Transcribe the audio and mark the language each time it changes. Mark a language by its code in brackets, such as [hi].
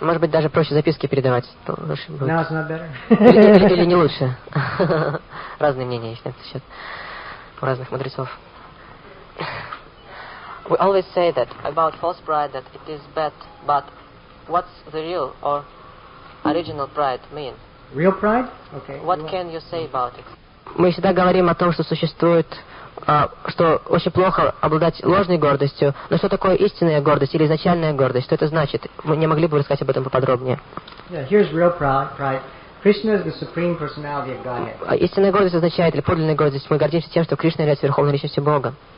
[ru] Может быть, даже проще записки передавать. [en] It's not better. [ru] Или не лучше. Разные мнения есть на этот счет. Разных мудрецов. [en] We always say that about false pride that it is bad, but what's the real or original pride mean? Real pride? Okay. What can you say about it? [ru] Мы всегда говорим о том, что существует, что очень плохо обладать ложной гордостью. Но что такое истинная гордость или изначальная гордость? Что это значит? Мы не могли бы рассказать об этом поподробнее? [en] Yeah, here's real pride. Krishna is the supreme personality of Godhead. [ru] Истинная гордость означает, или подлинная гордость, мы гордимся тем, что Кришна является верховной личностью Бога.